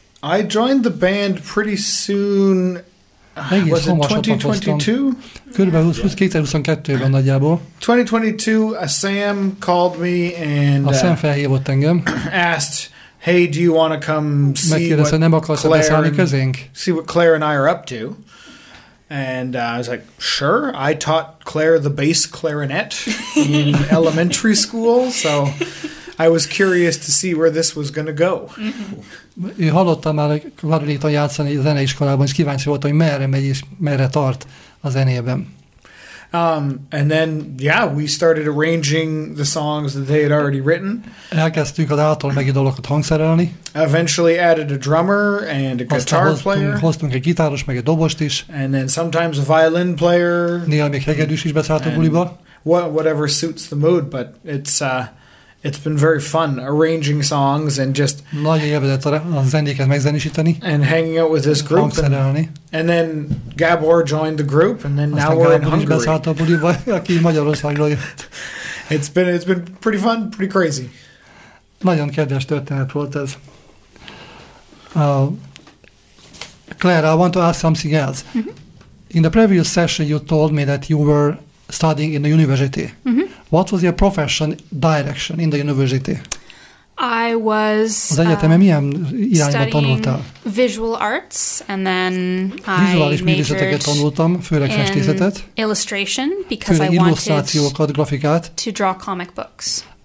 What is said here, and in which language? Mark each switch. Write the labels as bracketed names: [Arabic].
[English] I joined the band pretty soon. Was it 2022? [Hungarian] Körülbelül 2022-ben nagyjából. [English] 2022, a Sam called me and [Hungarian] a Sam felhívott engem. [English] Asked, hey, do you want to come see what Claire and I are up to? And I was like, sure. I taught Claire the bass clarinet in elementary school, so I was curious to see where this was going to go. [Hungarian] Ő hallotta már a klarinéton játszani a zeneiskolában, és kíváncsi volt, hogy merre megy és merre tart a zenében. [English] And then, yeah, we started arranging the songs that they had already written. [Hungarian] Elkezdtünk az által megi dolgokat hangszerelni. [English] Eventually added a drummer and a guitar player. [Hungarian] Hoztunk egy gitáros, meg egy dobost is. [English] And then sometimes a violin player. [Hungarian] Néha még hegedűs is beszállt a buliba. [English] Whatever suits the mood, but it's been very fun arranging songs and just [Hungarian] nagyon élvezett a zenéket megzenésíteni. [English] And hanging out with this group. And then Gábor joined the group, and then now we're in Hungary. [Hungarian] Aki Magyarországról jött. [English] It's been pretty fun, pretty crazy. [Hungarian] Nagyon kedves történet volt ez. [English] Claire, I want to ask something else. Mm-hmm. In the previous session you told me that you were studying in the university. Mm-hmm. What was your profession direction in the university? I was studying visual arts, and then I majored in illustration because I wanted to draw comic books.